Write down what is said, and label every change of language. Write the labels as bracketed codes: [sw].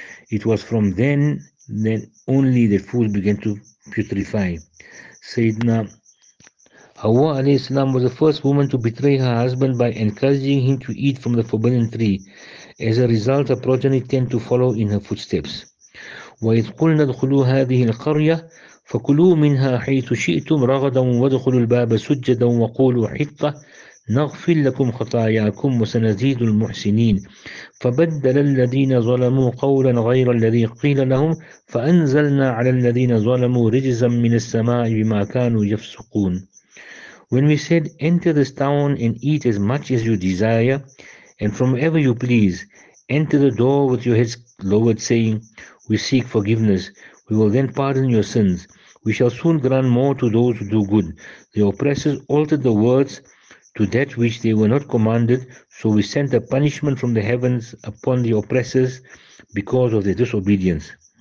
[en] It was from then only that food began to putrefy. Sayyidina Hawa alayhi salam was the first woman to betray her husband by encouraging him to eat from the forbidden tree. As a result, her progeny tend to follow in her footsteps. [ar] وَإِذْ قُلْنَا ادْخُلُوا هَذِهِ الْقَرْيَةَ فَكُلُوا مِنْهَا حَيْثُ شِئْتُمْ رَغَدًا وَادْخُلُوا الْبَابَ سُجَّدًا وَقُولُوا حِطَّةً نغفر لكم خطاياكم وسنزيد المحسنين. فبدل الذين ظلموا قولا غير الذي قيل لهم فأنزلنا على الذين ظلموا رجزا من السماء بما كانوا يفسقون. [en] When we said, enter this town and eat as much as you desire and from wherever you please, enter the door with your heads lowered, saying, we seek forgiveness, we will then pardon your sins. We shall soon grant more to those who do good. The oppressors altered the words to that which they were not commanded, so we sent a punishment from the heavens upon the oppressors because of their disobedience.